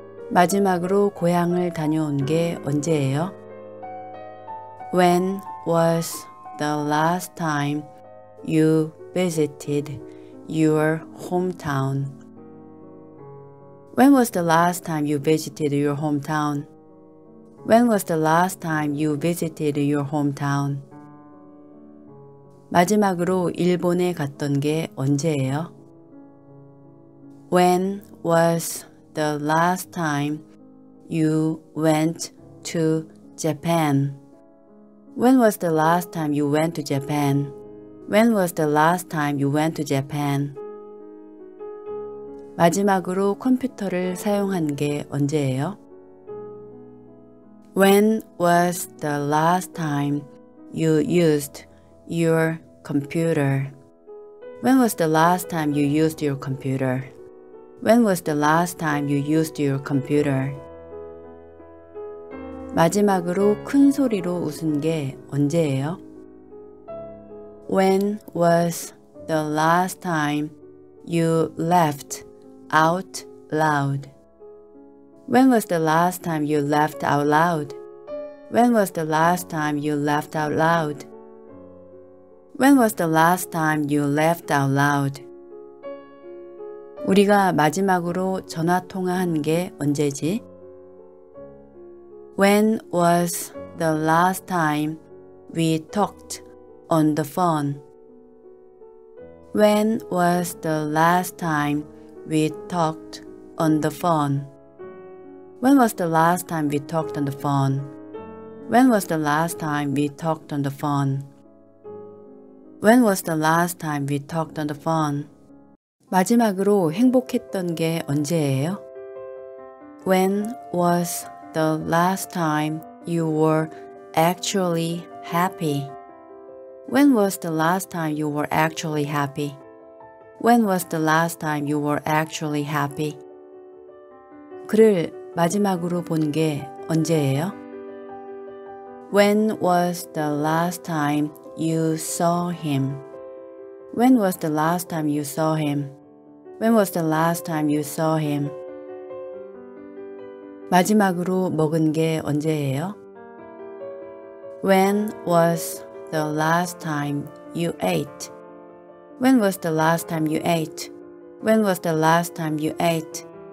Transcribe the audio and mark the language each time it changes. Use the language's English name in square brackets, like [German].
[Korean] 마지막으로 고향을 다녀온 게 언제예요? [English] When was the last time you visited your hometown? When was the last time you visited your hometown? When was the last time you visited your hometown? [Korean] 마지막으로 일본에 갔던 게 언제예요? [English] When was the last time you went to Japan? When was the last time you went to Japan? When was the last time you went to Japan? [Korean] 마지막으로 컴퓨터를 사용한 게 언제예요? [English] When was the last time you used your computer? When was the last time you used your computer? When was the last time you used your computer? [Korean] 마지막으로 큰 소리로 웃은 게 언제예요? [English] When was the last time you laughed out loud? When was the last time you laughed out loud? When was the last time you laughed out loud? When was the last time you laughed out loud? [Korean] 우리가 마지막으로 전화 통화한 게 언제지? [English] When was the last time we talked on the phone? When was the last time we talked on the phone? When was the last time we talked on the phone? When was the last time we talked on the phone? When was the last time we talked on the phone? [Korean] 마지막으로 행복했던 게 언제예요? [English] When was the last time you were actually happy? When was the last time you were actually happy? When was the last time you were actually happy? [Korean] 그를 마지막으로 본 게 언제예요? [English] When was the last time you saw him? When was the last time you saw him? When was the last time you saw him? [Korean] 마지막으로 먹은 게 언제예요? [English] When was the last time you ate? When was the last time you ate? When was the last time you ate?